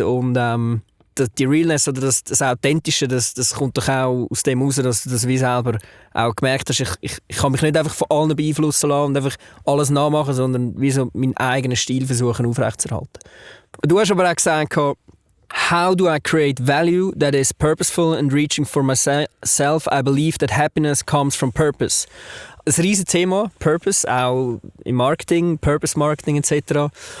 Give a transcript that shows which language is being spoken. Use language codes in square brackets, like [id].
[de] Und die Realness oder das Authentische, das kommt doch auch aus dem raus, dass du das wie selber auch gemerkt hast. Ich kann mich nicht einfach von allen beeinflussen lassen und einfach alles nachmachen, sondern wie so meinen eigenen Stil versuchen aufrechtzuerhalten. Du hast aber auch gesagt, how do I create value that is purposeful and reaching for myself? [en] I believe that happiness comes from purpose. [de] Ein riesen Thema, Purpose, auch im Marketing, Purpose-Marketing etc.